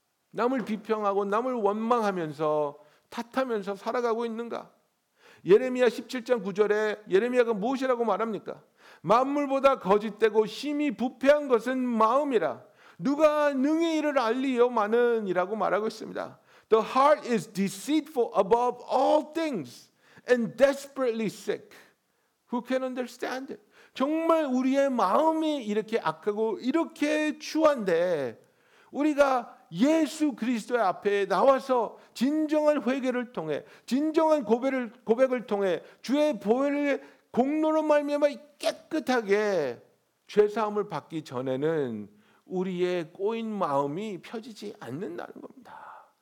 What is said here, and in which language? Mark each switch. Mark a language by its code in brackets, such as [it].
[ko] 남을 비평하고 남을 원망하면서 탓하면서 살아가고 있는가? 예레미야 17장 9절에 예레미야가 무엇이라고 말합니까? 만물보다 거짓되고 심히 부패한 것은 마음이라. 누가 능히 이를 알리요 마는이라고 말하고 있습니다. [en] The heart is deceitful above all things and desperately sick. Who can understand it? [ko] 정말 우리의 마음이 이렇게 악하고 이렇게 추한데 우리가 예수 그리스도의 앞에 나와서 진정한 회개를 통해 진정한 고백을 통해 주의 보혈의 공로로 말미암아 깨끗하게 죄사함을 받기 전에는 우리의 꼬인 마음이 펴지지 않는다는 겁니다.